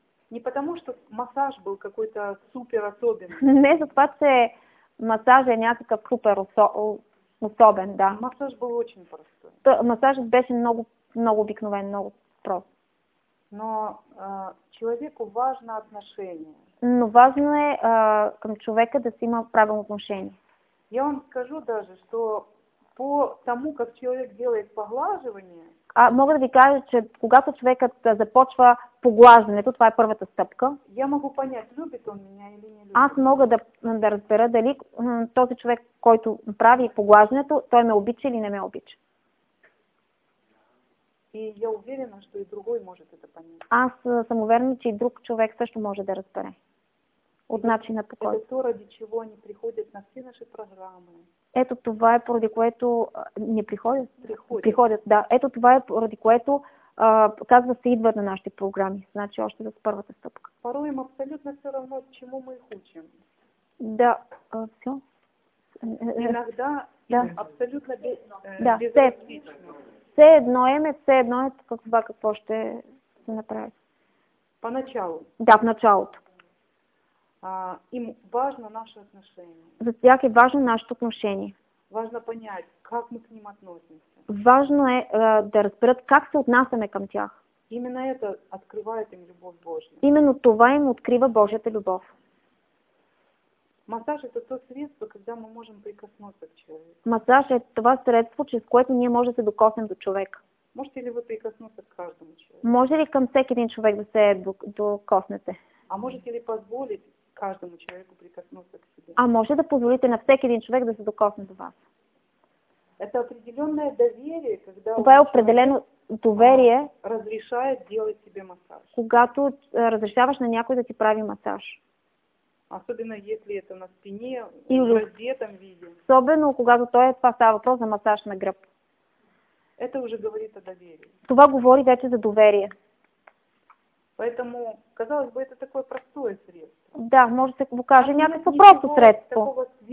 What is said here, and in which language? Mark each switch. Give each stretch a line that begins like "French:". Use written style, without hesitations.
Russian: Не потому, что массаж был какой-то супер особен.
Bulgarian: Не за това, че масажът е някакъв супер особен, да.
Russian: Масаж был очень простой.
Bulgarian: Масажът беше много, много обикновен, много прост.
Russian: Но человеку важно отношение.
Bulgarian: Но важно е към човека да си има правилно отношение.
Russian: Я вам скажу даже, что по тому, как человек делает поглаживание,
Bulgarian: а мога да ви кажа, че когато човекът започва поглаждането, това е първата стъпка.
Russian: Я могу понять, любит он меня или не любит.
Bulgarian: Аз мога да разбера дали този човек, който прави поглаждането, той ме обича или не ме обича.
Russian: И я уверена, что и другой может это понять.
Bulgarian: Аз съм уверена, че и друг човек също може да разбере. От начина по който.
Russian: Это то, ради чего они приходят на все наши программы.
Bulgarian: Ето това е поради което не приходят.
Russian: Приходят, да.
Bulgarian: Ето това е поради което казва се идват на нашите програми. Значи още за първата стъпка.
Russian: Порой им абсолютно все равно, чему мы их учим. Да, все. Иногда да. Абсолютно безразлично.
Bulgarian: Все едно име, все едно е това какво ще се направи.
Russian: Поначалу.
Bulgarian: Да, в началото.
Russian: Им важно наше отношение.
Bulgarian: За тях е важно нашето отношение.
Russian: Важно понять, как мы к ним относимся.
Bulgarian: Важно е да разберат как се отнасяме към тях.
Russian: Именно это открывает им любовь Божья.
Bulgarian: Именно това им открива Божията любов.
Russian: Массаж это то средство, когда мы можем прикоснуться к человеку.
Bulgarian: Массаж е това средство, чрез което ние можем да се докоснем до човека.
Russian: Можете ли вы прикоснуться к каждому человеку?
Bulgarian: Може ли към всеки един човек да се докоснете?
Russian: А можете ли позволить каждому человеку прикоснуться к себе?
Bulgarian: А може да позволите на всеки един човек да се докосне до вас?
Russian: Это определенное доверие, когда
Bulgarian: това е определено доверие,
Russian: разрешает делать тебе массаж.
Bulgarian: Когато разрешаваш на някой да ти прави масаж.
Russian: Особенно если это на спине, или в раздетом виде.
Bulgarian: Особено когато той е това става въпрос за масаж на гръб.
Russian: Это уже говорит о доверии.
Bulgarian: Това говори вече за доверие.
Russian: Поэтому, казалось бы, это такое простое средство.
Bulgarian: Да, може да се покаже някакво просто средство.